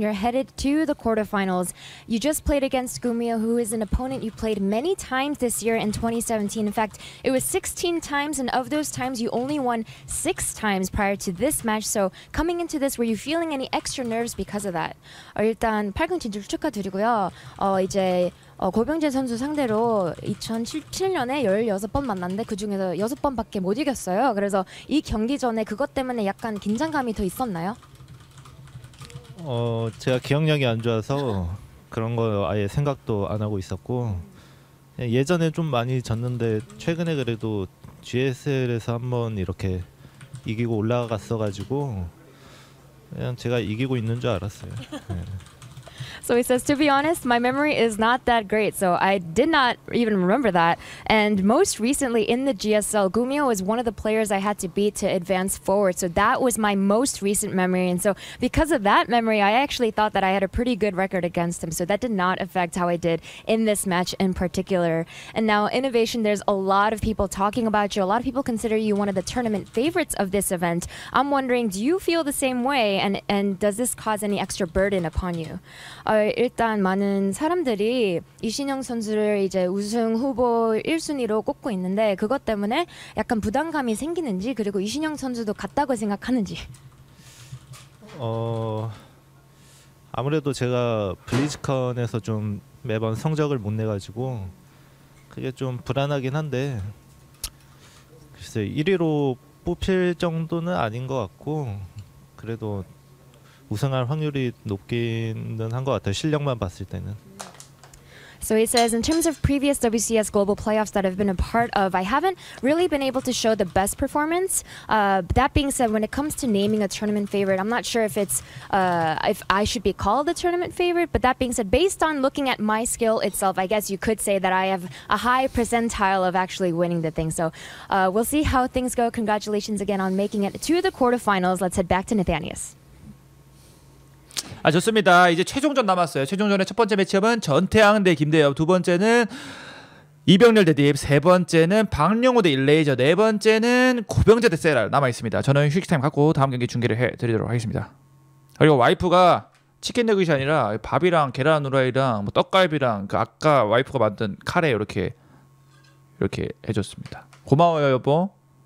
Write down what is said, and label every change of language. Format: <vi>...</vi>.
<en>You're headed to the quarterfinals. You just played against Gumiho, who is an opponent you played many times this year in 2017. In fact, it was 16 times, and of those times, you only won 6 times prior to this match. So, coming into this, were you feeling any extra nerves because of that?</en> <ko>일단 8강 진출 축하드리고요. 이제 고병재 선수 상대로 2017년에 16번 만났는데 그 중에서 6번밖에 못 이겼어요. 그래서 이 경기 전에 그것 때문에 약간 긴장감이 더 있었나요? 제가 기억력이 안 좋아서 그런 거 아예 생각도 안 하고 있었고 예전에 좀 많이 졌는데 최근에 그래도 GSL에서 한번 이렇게 이기고 올라갔어가지고 그냥 제가 이기고 있는 줄 알았어요. 네.</ko> <en>So he says, to be honest, my memory is not that great, so I did not even remember that. And most recently in the GSL, Gumiho was one of the players I had to beat to advance forward. So that was my most recent memory. And so because of that memory, I actually thought that I had a pretty good record against him. So that did not affect how I did in this match in particular. And now Innovation, there's a lot of people talking about you. A lot of people consider you one of the tournament favorites of this event. I'm wondering, do you feel the same way? And does this cause any extra burden upon you?</en> <ko>일단 많은 사람들이 이신영 선수를 이제 우승 후보 1순위로 꼽고 있는데 그것 때문에 약간 부담감이 생기는지 그리고 이신영 선수도 같다고 생각하는지. 아무래도 제가 블리즈컨에서 좀 매번 성적을 못 내가지고 그게 좀 불안하긴 한데 글쎄 1위로 뽑힐 정도는 아닌 것 같고 그래도 우승할 확률이 높기는 한 것 같아요. 실력만 봤을 때는.</ko> <en>So he says, in terms of previous WCS global playoffs that I've been a part of, I haven't really been able to show the best performance. That being said, when it comes to naming a tournament favorite, I'm not sure if it's if I should be called a tournament favorite. But that being said, based on looking at my skill itself, I guess you could say that I have a high percentile of actually winning the thing. So we'll see how things go. Congratulations again on making it to the quarterfinals. Let's head back to Nathanius.</en> <ko>아, 좋습니다. 이제 최종전 남았어요. 최종전의 첫 번째 매치업은 전태양 대 김대엽, 두 번째는 이병렬 대 딥, 세 번째는 박령호 대 일레이저, 네 번째는 고병재 대 세랄 남아있습니다. 저는 휴식타임 갖고 다음 경기 중계를 해드리도록 하겠습니다. 그리고 와이프가 치킨 내기시 아니라 밥이랑 계란 후라이랑 뭐 떡갈비랑 그 아까 와이프가 만든 카레 이렇게 해줬습니다. 고마워요, 여보.</ko>